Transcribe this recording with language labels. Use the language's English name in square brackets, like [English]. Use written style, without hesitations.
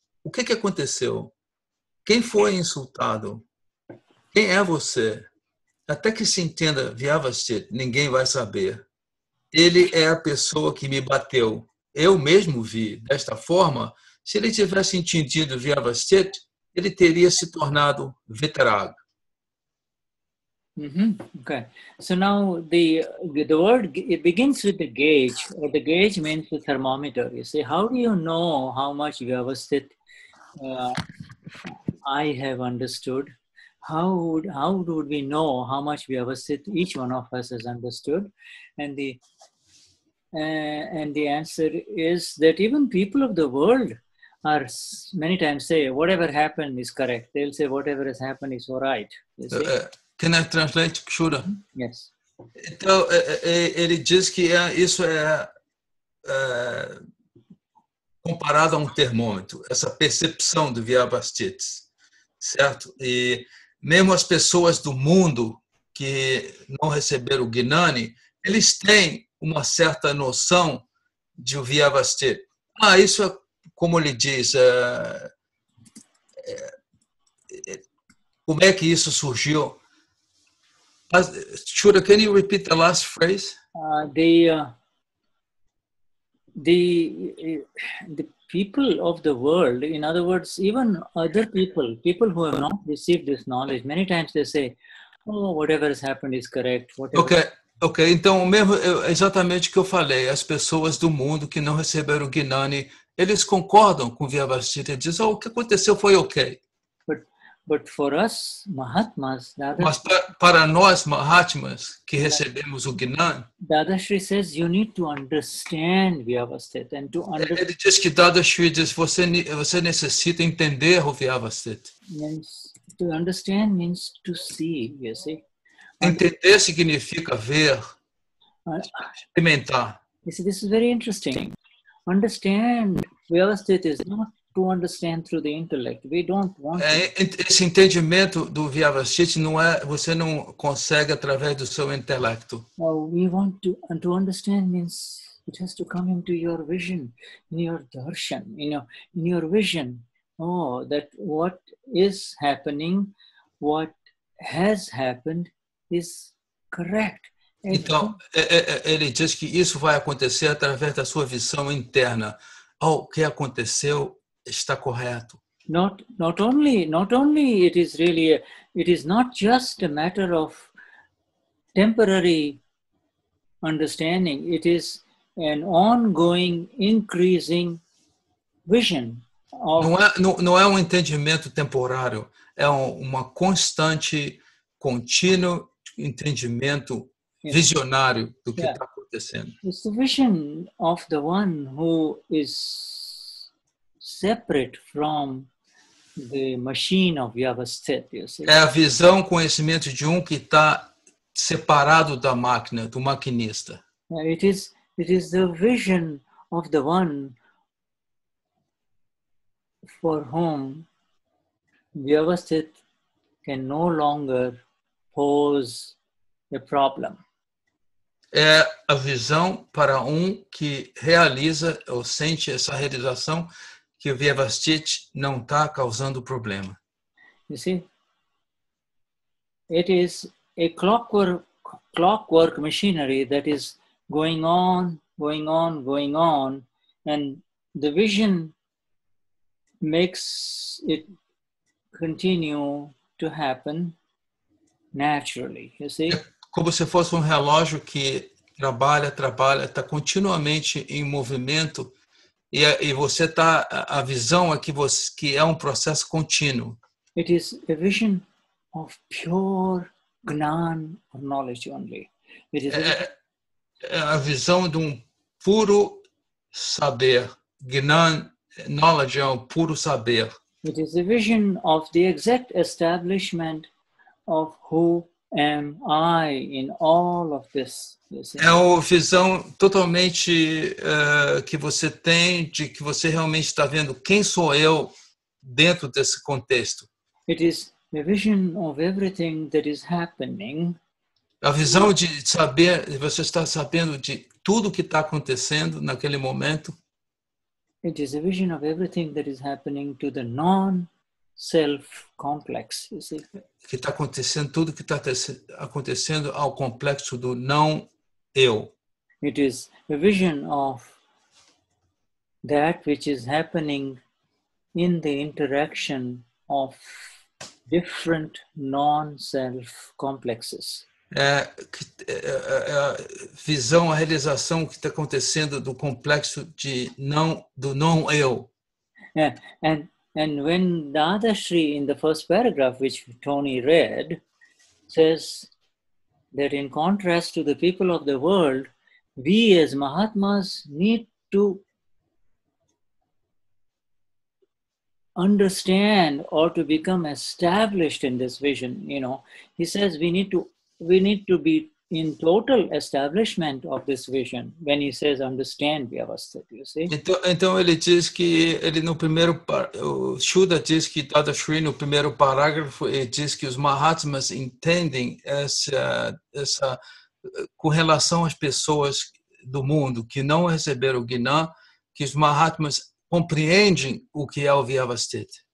[Portuguese] O que aconteceu? Quem foi insultado? Quem é você? Até que se entenda Vyavastita, ninguém vai saber. Ele é a pessoa que me bateu. Eu mesmo vi. Desta forma, se ele tivesse entendido Vyavastita, ele teria se tornado Vitarag. [English] Mm-hmm. Okay. So now the word, it begins with the gauge, or the gauge means the thermometer. You see, how do you know how much Vyavastita I have understood? How would we know how much Vyavastita each one of us has understood? And the answer is that even people of the world are many times say, whatever happened is correct. They'll say, whatever has happened is all right. You see? Can I translate, Kshura? Yes. [Portuguese] Então, ele diz que isso é comparado a um termômetro, essa percepção do Vyavastita. Certo? E mesmo as pessoas do mundo que não receberam o Gnani, eles têm uma certa noção de o Vyavasthi. Ah, isso é como ele diz, como é que isso surgiu? [English] Shura, can you repeat the last phrase? The people of the world, in other words, even other people, people who have not received this knowledge, many times they say, oh, whatever has happened is correct. Whatever. [Portuguese] Ok, então mesmo exatamente o que eu falei, as pessoas do mundo que não receberam o Gnani, eles concordam com o Vyavasthi e dizem, oh, o que aconteceu foi ok. [English] But for us, Mahatmas, [Portuguese] mas para nós, Mahatmas, que recebemos o Gnani, [English] Dada Shri says you need to understand Vyavasthi and to understand. [Portuguese] Ele diz que Dada Shri diz você necessita entender o Vyavasthi. [English] Means to understand means to see, you see. [Portuguese] Entender significa ver, experimentar. [English] You see, this is very interesting. Understand Vyavasthi is not to understand through the intellect. We don't want. [Portuguese] Esse entendimento do Vyavasthi não é você não consegue através do seu intelecto. [English] Well, we want to, and to understand means it has to come into your vision, in your darshan, in your vision. Oh, that what is happening, what has happened is correct. [Portuguese] Então, ele diz que isso vai acontecer através da sua visão interna. Oh, o que aconteceu está correto. [English] Not only it is really it is not just a matter of temporary understanding, it is an ongoing increasing vision of. [Portuguese] Não é um entendimento temporário, é uma constante contínuo entendimento visionário do que está acontecendo. [English] It's the vision of the one who is separate from the machine of Vyavasthi, you see. [Portuguese] É a visão, conhecimento de um que está separado da máquina, do maquinista. [English] It is the vision of the one for whom Vyavasthi can no longer pose a problem. [Portuguese] É a visão para um que realiza ou sente essa realização que o Vyavasthi não está causando problema. [English] You see, it is a clockwork machinery that is going on, going on, going on, and the vision makes it continue to happen naturally. You see, [Portuguese] é como se fosse um relógio que trabalha, está continuamente em movimento. E você tá, a visão é que, você, que é um processo contínuo. [English] It is a vision of pure gnan or knowledge only. It is [Portuguese] a visão de um puro saber. Gnan, knowledge, é um puro saber. [English] It is a vision of the exact establishment of who am I in all of this. [Portuguese] É uma visão totalmente que você tem de que você realmente está vendo quem sou eu dentro desse contexto. [English] It is a vision of everything that is happening. [Portuguese] A visão de saber, você está sabendo de tudo que está acontecendo naquele momento. [English] It is a vision of everything that is happening to the non-self complex. You see? [Portuguese] Que está acontecendo, tudo que está acontecendo ao complexo do não eu. [English] It is a vision of that which is happening in the interaction of different non-self complexes. [Portuguese] É a visão, a realização que está acontecendo do complexo de não, do não eu. [English] And when Dada Shri in the first paragraph which Tony read says that in contrast to the people of the world, we as Mahatmas need to understand or to become established in this vision. You know, he says we need to be in total establishment of this vision when he says understand vyavastita, you see. [Portuguese] Então ele diz que ele no primeiro Shuddha diz que Dada Shri no primeiro parágrafo ele diz que os Mahatmas entendem essa com relação às pessoas do mundo que não receberam o Gnan, que os Mahatmas compreendem o que é o vyavastita.